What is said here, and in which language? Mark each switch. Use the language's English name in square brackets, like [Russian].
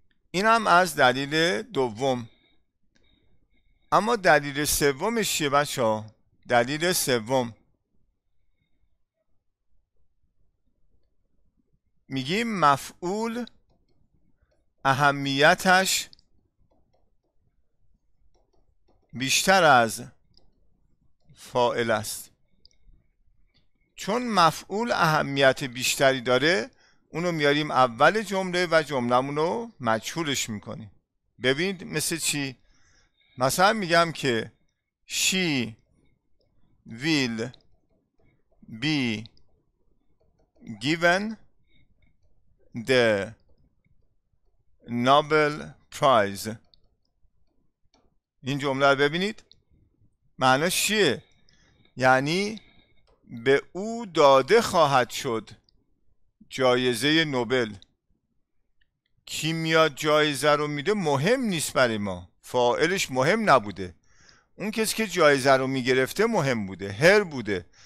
[Persian] این هم از دلیل دوم. اما دلیل سومش چیه بچه ها؟ دلیل سوم میگیم مفعول اهمیتش بیشتر از فاعل است. چون مفعول اهمیت بیشتری داره اونو میاریم اول جمله و جملمونو مجهولش میکنیم. ببینید مثل چی؟ مثلا میگم که [English] she will be given the Nobel Prize. [Persian] این جمله رو ببینید معناش چیه؟ یعنی به او داده خواهد شد جایزه نوبل. کی میاد جایزه رو میده مهم نیست برای ما، فاعلش مهم نبوده، اون کسی که جایزه رو میگرفته مهم بوده، هر بوده.